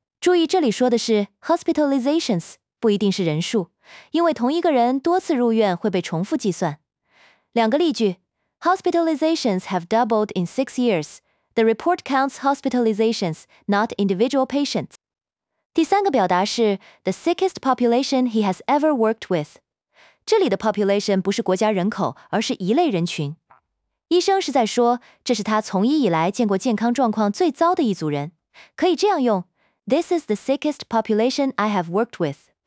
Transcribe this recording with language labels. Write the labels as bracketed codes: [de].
[zh] 注意这里说的是 hospitalizations， 不一定是人数，因为同一个人多次入院会被重复计算。两个例句， [en] Hospitalizations have doubled in 6 years. The report counts hospitalizations, not individual patients. [zh] 第三个表达是 [en] The sickest population he has ever worked with. [zh] 这里的 population 不是国家人口，而是一类人群。医生是在说，这是他从医以来见过健康状况最糟的一组人。可以这样用， [en] This is the sickest population I have worked with.